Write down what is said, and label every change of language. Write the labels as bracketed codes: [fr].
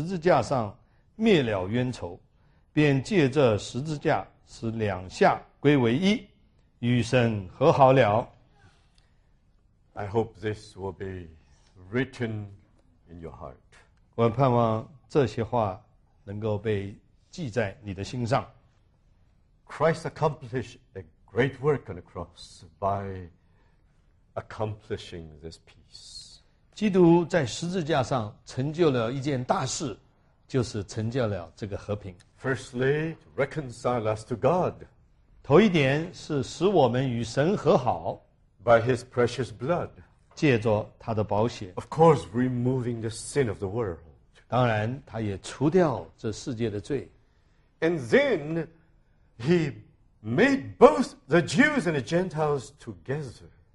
[zh] 既在十字架上灭了冤仇, 便借着十字架使两下归为一, 与神和好了。 [en] I hope this will be written in your heart. [zh] 我盼望这些话能够被 [en] Christ accomplished a great work on the cross by accomplishing this peace. [zh] 基督在十字架上成就了一件大事, 就是成就了这个和平。 [en] Firstly, reconcile us to God. [zh] 头一点是使我们与神和好, [en] by his precious blood. [zh] 借着他的宝血。 [en] Of course, removing the sin of the world. [zh] 当然他也除掉这世界的罪。 [en] And then he made both the Jews and the Gentiles together.